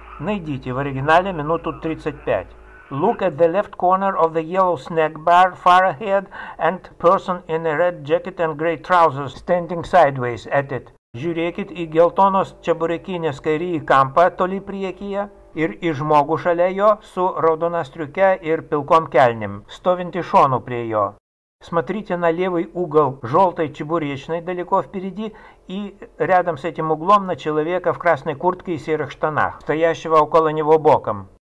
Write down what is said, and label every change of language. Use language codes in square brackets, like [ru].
[ru] Найдите в оригинале минуту 35. [en] Look at the left corner of the yellow snack bar far ahead and person in a red jacket and grey trousers standing sideways at it. [lt] Žiūrėkit į geltonos čeburekinės kairįjį kampą toli priekyje. Ir į žmogų šalia jo su raudona striuke ir pilkom kelnim, stovinti šonu prie jo. [ru] Смотрите на левый угол желтой чебуречной далеко впереди и рядом с этим углом на человека в красной куртке и серых штанах, стоящего около него боком.